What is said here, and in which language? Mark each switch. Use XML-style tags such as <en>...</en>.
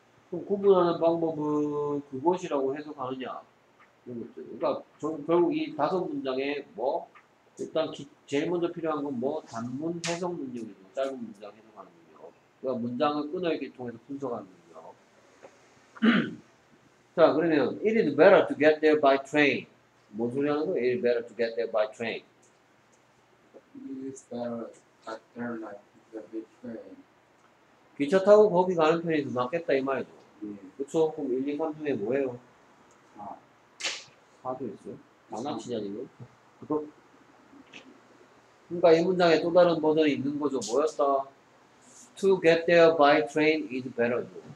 <ko>그럼 구분하는 방법은 그것이라고 해석하느냐 이런 것들. 그러니까 결국 이 다섯 문장에 뭐 일단 제일 먼저 필요한 건 뭐 단문 해석 능력이죠. 짧은 문장 해석하는 능력. 그러니까 문장을 끊어읽기 통해서 분석하는 능력.</ko> <en>자 그러면 It is better to get there by train.</en> <ko>뭔 소리 하는 거야?</ko> <en>It is better to get there by train. It is better to get there by train.</en> <ko>기차 타고 거기 가는 편이 더 낫겠다 이 말이죠. 그쵸? 그럼 1, 2, 3 중에 뭐예요? 아, 4도 있어요? 장난치냐 지금? 그러니까 이 문장에 또 다른 버전이 있는 거죠. 뭐였다?</ko> <en>To get there by train is better.</en>